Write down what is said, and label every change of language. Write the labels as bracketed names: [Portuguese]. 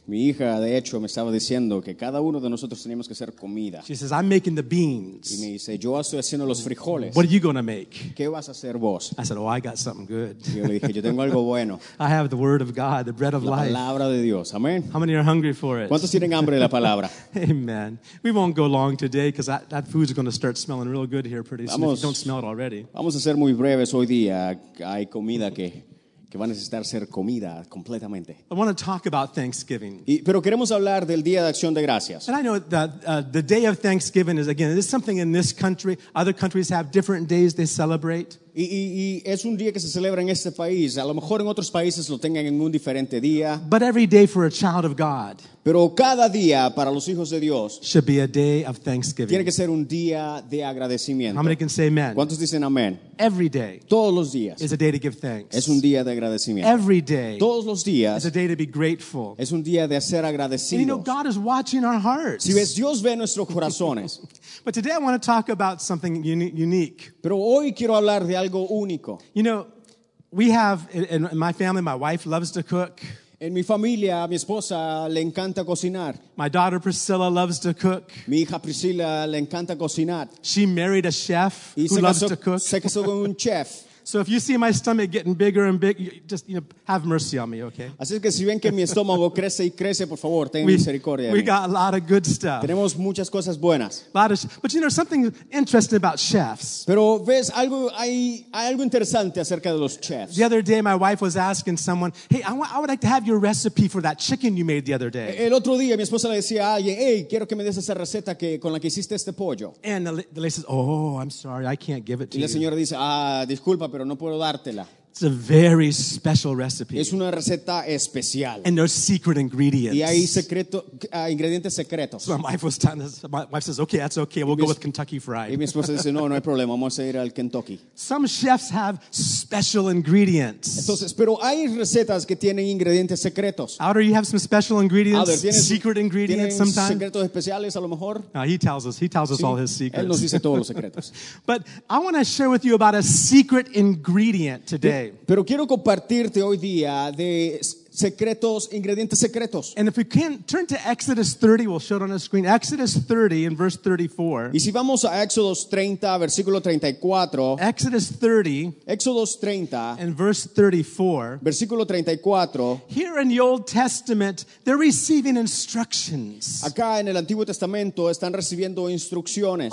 [Spanish] Mi hija de hecho me estaba diciendo que cada uno de nosotros teníamos que hacer comida. [English] She says, "I'm making the beans." [Spanish] Y me dice, "Yo estoy haciendo los frijoles." [English] What are you going to make? [Spanish] ¿Qué vas a hacer vos? [English] I said, "Oh, I got something good." [Spanish] Yo le dije, "Yo tengo algo bueno." [English] I have the word of God, the bread of life. [Spanish] La palabra de Dios. Amen. [English] How many are hungry for it? [Spanish] ¿Cuántos tienen hambre de la palabra? [English] Amen. We won't go long today because that food is going to start smelling real good here pretty soon. If you don't smell it already. [Spanish] Vamos a ser muy breves. Hoy día hay comida que va a necesitar ser comida completamente. [English] I want to talk about Thanksgiving. [Spanish] Pero queremos hablar del Día de Acción de Gracias. [English] And I know that the Day of Thanksgiving is, again, it's something in this country. Other countries have different days they celebrate. [Spanish] Y es un día que se celebra en este país. A lo mejor en otros países lo tengan en un diferente día. [English] But every day for a child of God. [Spanish] Pero cada día para los hijos de Dios. [English] Should be a day of Thanksgiving. [Spanish] Tiene que ser un día de agradecimiento. [English] How many can say amen? [Spanish] ¿Cuántos dicen amén? [English] Every day. [Spanish] Todos los días. [English] Is a day to give thanks. [Spanish] Es un día de agradecimiento. [English] Every day. [Spanish] Todos los días. [English] Is a day to be grateful. [Spanish] Es un día de ser agradecidos. [English] And you know, God is watching our hearts. [Spanish] Si ves, Dios ve nuestros corazones. [English] But today I want to talk about something unique. [Spanish] Pero hoy quiero hablar de algo único. [English] You know, we have in my family, my wife loves to cook. [Spanish] En mi familia, mi esposa le encanta cocinar. [English] My daughter Priscilla loves to cook. [Spanish] Mi hija Priscilla le encanta cocinar. [English] She married a chef [Spanish] y [English] who loves to cook. [Spanish] Se casó con un chef. [English] So if you see my stomach getting bigger and bigger, just, you know, have mercy on me, okay? [Spanish] Así que si ven que mi estómago crece y crece, por favor, tengan misericordia. [English] We got a lot of good stuff. [Spanish] Tenemos muchas cosas buenas. [English] But you know, something interesting about chefs. [Spanish] Pero ves algo, hay algo interesante acerca de los chefs. [English] The other day, my wife was asking someone, "Hey, I would like to have your recipe for that chicken you made the other day." [Spanish] El otro día, mi esposa le decía a alguien, "Hey, quiero que me des esa receta que con la que hiciste este pollo." [English] And the lady says, "Oh, I'm sorry, I can't give it to you." [Spanish] Y la señora dice, "Ah, disculpa, pero no puedo dártela." [English] It's a very special recipe. [Spanish] Es una receta especial. [English] And there's secret ingredients. [Spanish] Y hay ingredientes secretos. [English] So my wife says, "Okay, that's okay. We'll go with Kentucky Fried." [Spanish] Y mi esposa dice, "No, no hay problema. Vamos a ir al Kentucky." [English] Some chefs have special ingredients. [Spanish] Entonces, pero hay recetas que tienen ingredientes secretos. [English] Outer, you have some special ingredients, secret ingredients sometimes. [Spanish] ¿Tienen secretos especiales a lo mejor? [English] No, he tells us all his secrets. [Spanish] Él nos dice todos los secretos. [English] But I want to share with you about a secret ingredient today. [Spanish] Pero quiero compartirte hoy día de secretos, ingredientes secretos. [English] And if we can turn to Exodus 30, we'll show it on the screen. Exodus 30 in verse 34. [Spanish] Y si vamos a Exodus 30, versículo 34. [English] Exodus 30. [Spanish] Exodus 30. [English] And verse 34. [Spanish] Versículo 34. [English] Here in the Old Testament, they're receiving instructions. [Spanish] Acá en el Antiguo Testamento están recibiendo instrucciones.